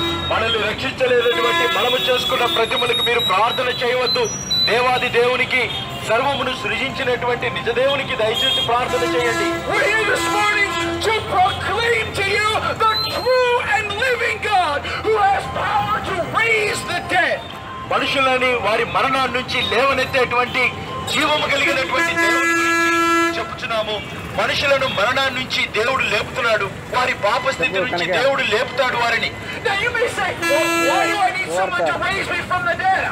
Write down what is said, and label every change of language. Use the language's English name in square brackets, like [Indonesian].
[Telugu] మనల్ని రక్షించలేదటువంటి బలము చేసుకున్న ప్రజలకు మీరు ప్రార్థన చేయవద్దు. దేవాది దేవునికి, సర్వమును సృజించినటువంటి నిజ దేవునికి దయచేసి ప్రార్థన చేయండి. [English] We're here this morning to proclaim to you the true and living God who has power to raise the dead. [Telugu] మనుషులని వారి మరణాల నుంచి లేవనెత్తేటువంటి జీవము కలిగినటువంటి దేవుడు చెప్పుచున్నాము. మనుషులను మరణాల నుంచి దేవుడు లేపుతున్నాడు, వారి పాప స్థితి నుంచి దేవుడు లేపుతాడు వారిని. [English] Now you may say, well, why do I need someone to raise me from the dead?